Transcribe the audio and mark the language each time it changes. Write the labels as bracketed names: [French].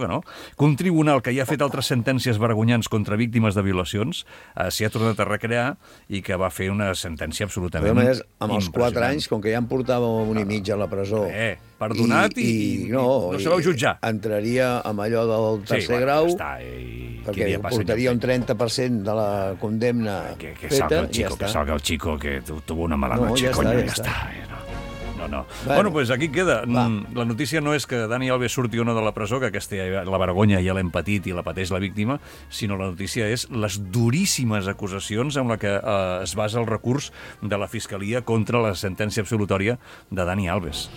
[Catalan] Que un tribunal que ja ha fet altres sentències vergonyants contra víctimes de violacions s'hi ha tornat a recrear i que va fer una sentència absolutament impressionant. Però a més, amb els 4 anys, com que ja em portava un i mig a la presó... Perdonat i no se vau jutjar. Entraria amb allò del tercer grau, ja està, perquè portaria un 30% de la condemna feta, i ja està. [Spanish] Que salga el xico, que tuvo una mala noche, [Catalan] ja està. Bueno, pues aquí queda. Va. La notícia no és que Dani Alves surti o no de la presó, que aquesta la vergonya ja l'hem patit i la pateix la víctima, sinó la notícia és les duríssimes acusacions amb la que es basa el recurs de la Fiscalia contra la sentència absolutòria de Dani Alves.